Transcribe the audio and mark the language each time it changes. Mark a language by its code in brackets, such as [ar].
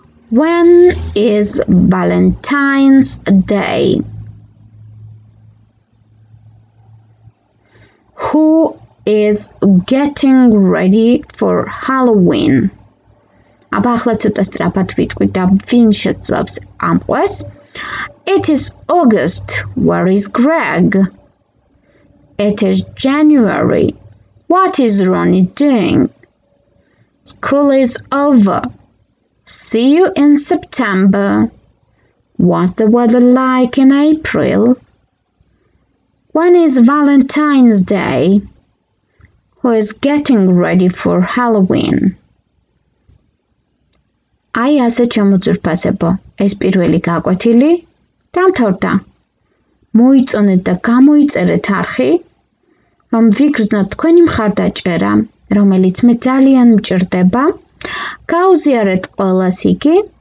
[en] When is Valentine's Day? Who is getting ready for Halloween? [ka] აბა ახლა ცოტა სწრაფად ვიტყვი და ვინ შეძლებს ამყვეს. [en] It is August. Where is Greg? It is January. What is Ronnie doing? School is over. See you in September. What's the weather like in April? When is Valentine's Day? Who is getting ready for Halloween? [ka] აი ასე ჩამოძურფასებო. ეს პირველი გაკვეთილი დამთავრდა. მოიწონეთ და გამოიწერეთ არხი, რომ ვიგრძნოთ თქვენი მხარდაჭერა, რომელიც მე ძალიან მჭირდება. გაუზიარეთ ყველას იგი